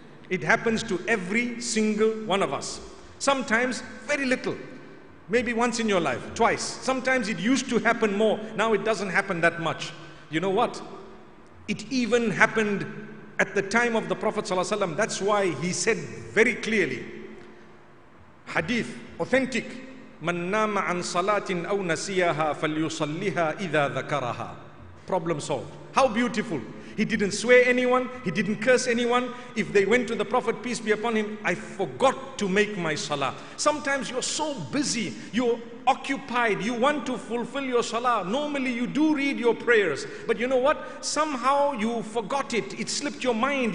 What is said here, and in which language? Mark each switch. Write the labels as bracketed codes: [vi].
[en] It happens to every single one of us. Sometimes very little. Maybe once in your life, twice. Sometimes it used to happen more. Now it doesn't happen that much. You know what? It even happened at the time of the Prophet ﷺ. That's why he said very clearly, hadith, authentic, [ar] مَنْ نَامَ عَنْ صَلَاتٍ أَوْ نَسِيَهَا فَلْيُصَلِّهَا إِذَا ذَكَرَهَا. [en] Problem solved. How beautiful. He didn't swear anyone. He didn't curse anyone. If they went to the Prophet, peace be upon him, I forgot to make my salah. Sometimes you're so busy, you're occupied, you want to fulfill your salah. Normally you do read your prayers. But you know what? Somehow you forgot it. It slipped your mind.